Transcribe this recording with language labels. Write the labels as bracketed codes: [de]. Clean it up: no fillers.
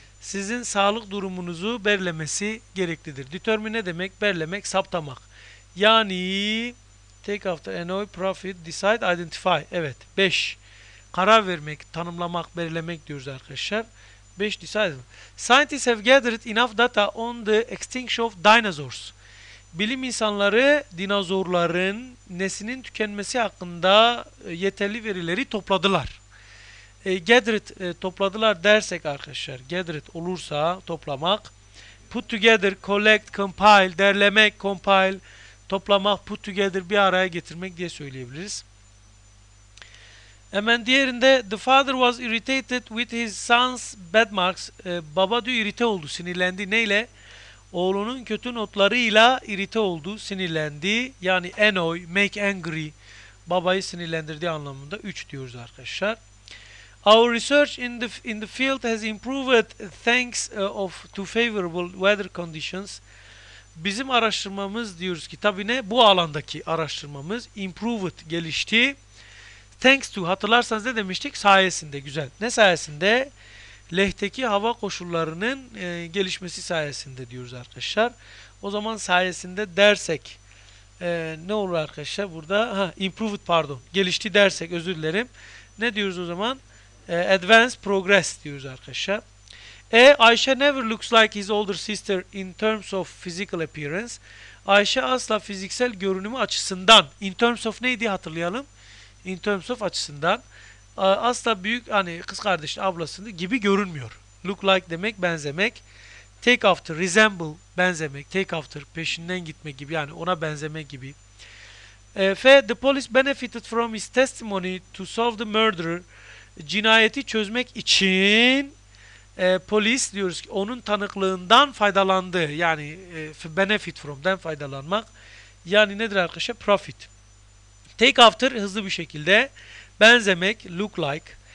[tr] Sizin sağlık durumunuzu belirlemesi gereklidir. Determine ne demek? Belirlemek, saptamak. [en] Yani take after annoy, profit, decide, identify. [tr] Evet, 5. Karar vermek, tanımlamak, belirlemek diyoruz arkadaşlar. [en] 5 decide. Scientists have gathered enough data on the extinction of dinosaurs. [tr] Bilim insanları dinozorların neslinin tükenmesi hakkında yeterli verileri topladılar. Gathered topladılar dersek arkadaşlar, gathered olursa toplamak, put together, collect, compile, derlemek, compile, toplamak, put together, bir araya getirmek diye söyleyebiliriz. Hemen diğerinde [en] the father was irritated with his son's bad marks. [tr] Baba diyor irite oldu, sinirlendi. Neyle? Oğlunun kötü notlarıyla irite oldu, sinirlendi. Yani annoy, make angry, babayı sinirlendirdiği anlamında 3 diyoruz arkadaşlar. [en] Our research in the field has improved thanks of to favorable weather conditions. [tr] Bizim araştırmamız diyoruz ki tabii ne? Bu alandaki araştırmamız improved, gelişti. Thanks to, hatırlarsanız ne demiştik? Sayesinde, güzel. Ne sayesinde? Leh'teki hava koşullarının gelişmesi sayesinde diyoruz arkadaşlar. O zaman sayesinde dersek ne olur arkadaşlar burada? Ha, improved, pardon. Gelişti dersek, özür dilerim. Ne diyoruz o zaman? Advanced progress diyoruz arkadaşlar. [en] Ayşe never looks like his older sister in terms of physical appearance. [tr] Ayşe asla fiziksel görünümü açısından, [en] in terms of [tr] neydi hatırlayalım? [en] In terms of [tr] açısından asla büyük, hani kız kardeşin ablasını gibi görünmüyor. Look like demek benzemek. Take after, resemble, benzemek. Take after, peşinden gitmek gibi, yani ona benzemek gibi. [en] The police benefited from his testimony to solve the murder. [tr] Cinayeti çözmek için polis diyoruz ki onun tanıklığından faydalandı. Yani benefit from'den faydalanmak. Yani nedir arkadaşlar? Profit. Take after, hızlı bir şekilde. Benzemek, look like.